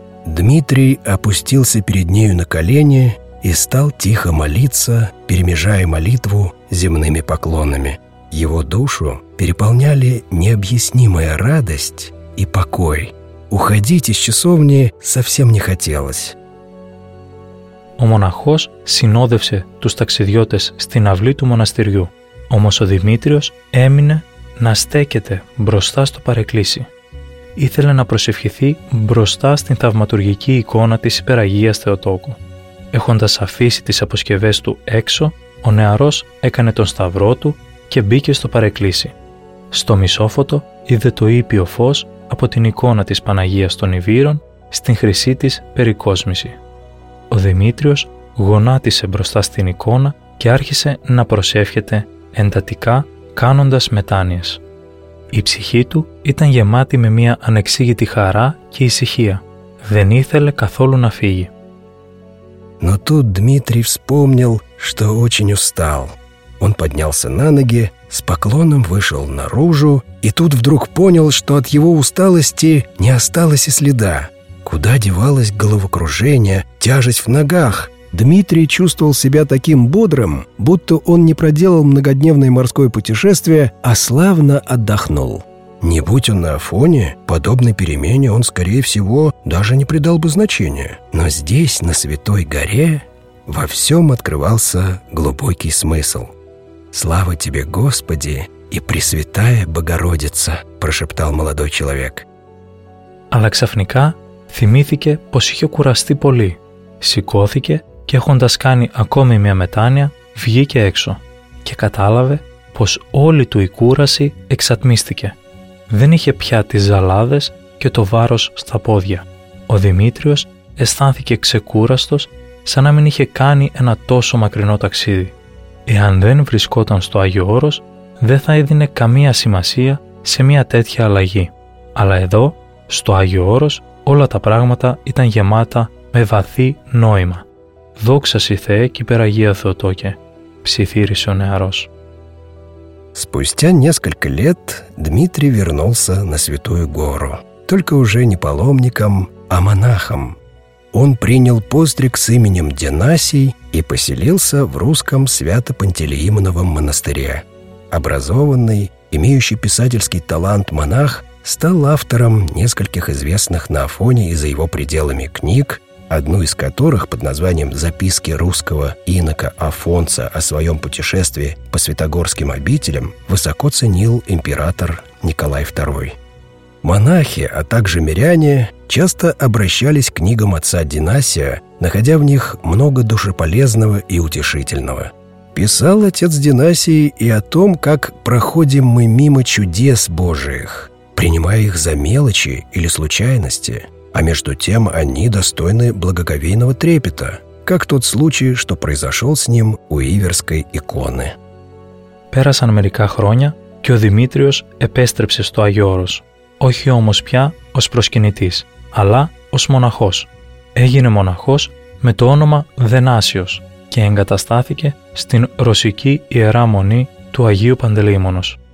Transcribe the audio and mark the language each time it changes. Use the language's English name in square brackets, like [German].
[Russian] Дмитрий опустился перед нею на колени и стал тихо молиться, перемежая молитву земными поклонами. Его душу переполняли необъяснимая радость и покой. Уходить из часовни совсем не хотелось. [Greek] Ο μοναχός συνόδευσε τους ταξιδιώτες στην αυλή του μοναστηριού. Όμως ο Δημήτριος έμεινε να στέκεται μπροστά στο παρεκκλήσι. Ήθελε να προσευχηθεί μπροστά στην θαυματουργική εικόνα της Υπεραγίας Θεοτόκου. Έχοντας αφήσει τις αποσκευές του έξω, ο νεαρός έκανε τον σταυρό του και μπήκε στο παρεκκλήσι. Στο μισόφωτο είδε το ήπιο φως από την εικόνα της Παναγίας των Ιβύρων στην χρυσή της περικόσμηση. Ο Δημήτριος γονάτισε μπροστά στην εικόνα και άρχισε να προσεύχεται εντατικά κάνοντας μετάνοιες. Η ψυχή του ήταν γεμάτη με μια ανεξήγητη χαρά και ησυχία. Δεν ήθελε καθόλου να φύγει. [Russian] Но тут Дмитрий вспомнил, что очень устал. Он поднялся на ноги, с поклоном вышел наружу, и тут вдруг понял, что от его усталости не осталось и следа. Куда девалось головокружение, тяжесть в ногах? Дмитрий чувствовал себя таким бодрым, будто он не проделал многодневное морское путешествие, а славно отдохнул. Не будь он на Афоне, подобной перемене он, скорее всего, даже не придал бы значения. Но здесь, на Святой Горе, во всем открывался глубокий смысл. «Слава тебе, Господи, и Пресвятая Богородица!» – прошептал молодой человек. [Greek] Але ксафника θυμήθηκε πως είχε κουραστεί πολύ. Σηκώθηκε και έχοντας κάνει ακόμη μια μετάνοια, βγήκε έξω και κατάλαβε πως όλη του η κούραση εξατμίστηκε. Δεν είχε πια τις ζαλάδες και το βάρος στα πόδια. Ο Δημήτριος αισθάνθηκε ξεκούραστος, σαν να μην είχε κάνει ένα τόσο μακρινό ταξίδι. Εάν δεν βρισκόταν στο Άγιο Όρος, δεν θα έδινε καμία σημασία σε μια τέτοια αλλαγή. Αλλά εδώ, στο Άγιο Όρος, όλα τα πράγματα ήταν γεμάτα με βαθύ νόημα. «Δόξα σοι Θεέ και υπεραγία Θεοτόκε», ψιθύρισε ο νεαρός. [Russian] Спустя несколько лет Дмитрий вернулся на Святую Гору, только уже не паломником, а монахом. Он принял постриг с именем Денасий и поселился в русском Свято-Пантелеимоновом монастыре. Образованный, имеющий писательский талант монах, стал автором нескольких известных на Афоне и за его пределами книг, одну из которых под названием «Записки русского инока Афонса о своем путешествии по святогорским обителям» высоко ценил император Николай II. Монахи, а также миряне, часто обращались к книгам отца Динасия, находя в них много душеполезного и утешительного. Писал отец Динасий и о том, как проходим мы мимо чудес Божиих, принимая их за мелочи или случайности, а между тем они достойны благоговейного трепета, как тот случай, что произошел с ним у Иверской иконы. [Greek] Пέρασαν μερικά χρόνια και ο Δημήτριος επέστρεψε στο Αγιώρος, όχι όμως πια ως προσκυνητής, αλλά ως μοναχός. Έγινε μοναχός με το όνομα Δενάσιος και εγκαταστάθηκε στην ρωσική Ιερά Μονή του Αγίου Παντελεήμονος.